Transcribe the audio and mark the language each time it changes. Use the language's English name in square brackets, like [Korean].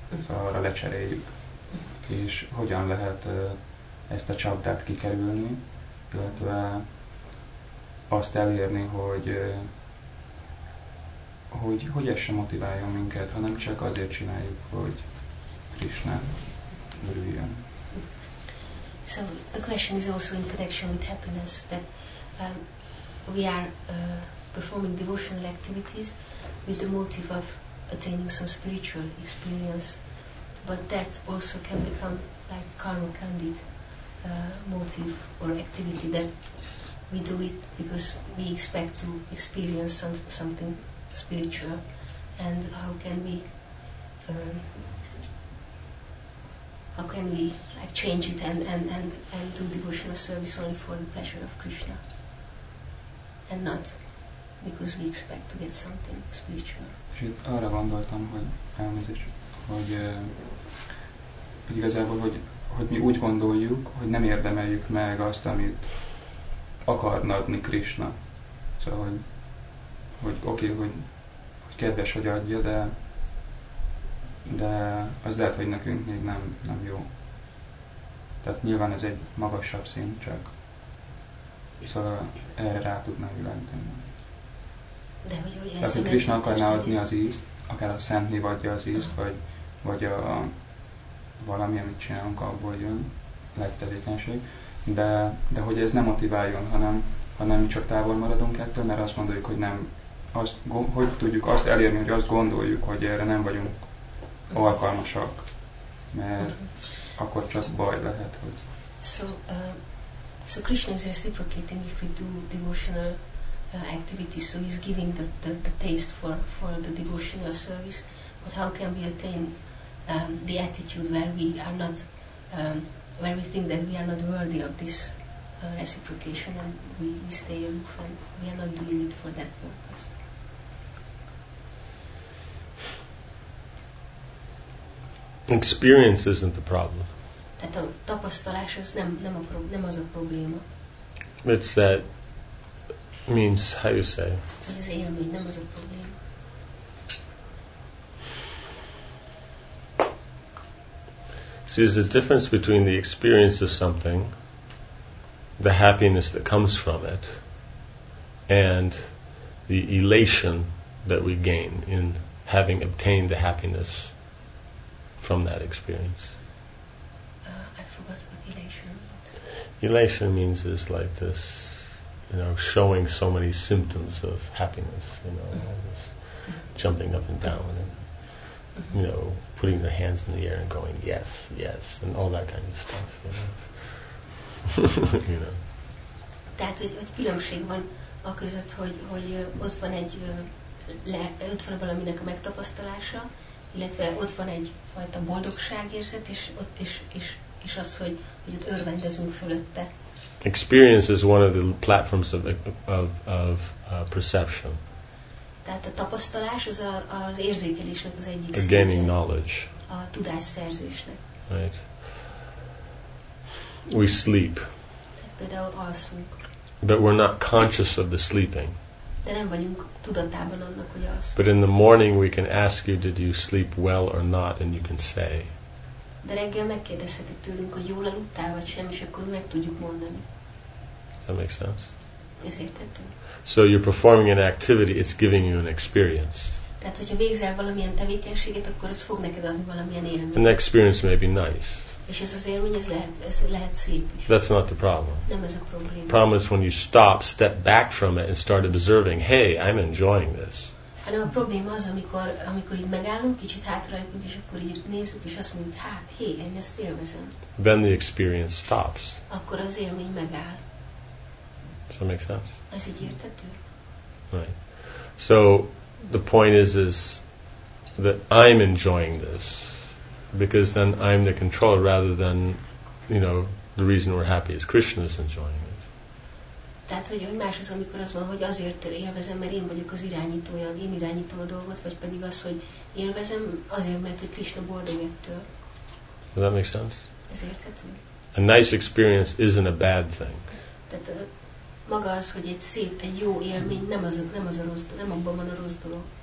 [Hungarian] Szóval arra lecseréljük. És hogyan lehet ezt a csapdát kikerülni, illetve azt elérni, hogy ez sem motiváljon minket, hanem csak azért csináljuk, hogy Krishna örüljön. [English] So the question is also in connection with happiness, that we are performing devotional activities with the motive of attaining some spiritual experience, but that also can become like karmakandik motive or activity, that we do it because we expect to experience something spiritual. And how can we like change it and do devotional service only for the pleasure of Krishna and not because we expect to get something spiritual. [Hungarian] És itt arra gondoltam, hogy igazából, hogy mi úgy gondoljuk, hogy nem érdemeljük meg azt, amit akarna adni Krishna. Szóval, hogy oké, hogy kedves, hogy adja, de az lehet, hogy nekünk még nem jó. Tehát nyilván ez egy magasabb szint, csak szóval erre rá tudnánk jelenteni. Tehát, hogy Krishna akarná adni az ízt, akár a szent név adja az ízt, vagy a valami, amit csinálunk, abból jön legtevékenység, de hogy ez nem motiváljon, hanem mi csak távol maradunk ettől, mert azt gondoljuk, hogy nem, hogy tudjuk azt elérni, hogy azt gondoljuk, hogy erre nem vagyunk alkalmasak, mert akkor csak baj lehet, hogy... [English] So Krishna is reciprocating if we do devotional activities, so he's giving the taste for the devotional service, but how can we attain the attitude where we are not, where we think that we are not worthy of this reciprocation and we stay aloof and we are not doing it for that purpose. Experience isn't the problem. [Hungarian] Tehát a tapasztalás az nem az a probléma. [English] It's that means, how you say? [Hungarian] Ez az élmény, nem az a probléma. [English] See, there's a difference between the experience of something, the happiness that comes from it, and the elation that we gain in having obtained the happiness from that experience. I forgot what elation means. Elation means is like this, you know, showing so many symptoms of happiness, you know, like this jumping up and down and, you know, putting their hands in the air and going yes, yes, and all that kind of stuff. You know. You know. [Hungarian] Tehát, hogy különbség van a között, hogy ott van egy ott van valaminek a megtapasztalása, illetve ott van egy fajta boldogságérzet, és az, hogy ott örvendezünk fölötte. [English] Experience is one of the platforms of perception. [Hungarian] Tehát a tapasztalás az az érzékelésnek az egyik szintje. [English] Gaining knowledge. [Hungarian] A tudásszerzésnek. [English] Right. We sleep. [Hungarian] Tehát például alszunk. [English] But we're not conscious of the sleeping. [Hungarian] De nem vagyunk tudatában annak, hogy alszunk. [English] But in the morning we can ask you, did you sleep well or not, and you can say. [Hungarian] De reggel megkérdezheted tőlünk, hogy jól aludtál vagy sem, és akkor meg tudjuk mondani. [English] That makes sense. [Hungarian] Ezért. [English] So you're performing an activity, it's giving you an experience. [Hungarian] Tehát, hogyha végzel valamilyen tevékenységet, akkor az fog neked adni valamilyen élményt. [English] And the experience may be nice. [Hungarian] És ez az élmény, ez lehet szép is. [English] That's not the problem. [Hungarian] Nem ez a probléma. [English] Problem is when you stop, step back from it and start observing, hey, I'm enjoying this. [Hungarian] Hanem a probléma az, amikor így megállunk, kicsit hátrálunk, és akkor így nézzük, és azt mondjuk, hát, hey, én ezt élvezem. [English] Then the experience stops. [Hungarian] Akkor az élmény megáll. [English] Does that make sense? [Hungarian] Ez így értető. [English] Right. So the point is that I'm enjoying this because then I'm the controller rather than, you know, the reason we're happy is Krishna is enjoying it. [Hungarian] Tehát, hogy más az, amikor az van, hogy azért élvezem, mert én vagyok az irányítója, én irányítom a dolgot, vagy pedig az, hogy élvezem azért, mert hogy Krishna boldog ettől. [English] Does that make sense? [Hungarian] Ez értető. [English] A nice experience isn't a bad thing. [Hungarian] Tehát, maga az, hogy egy szép, egy jó élmény, nem az a rossz, nem abban van a rossz dolog.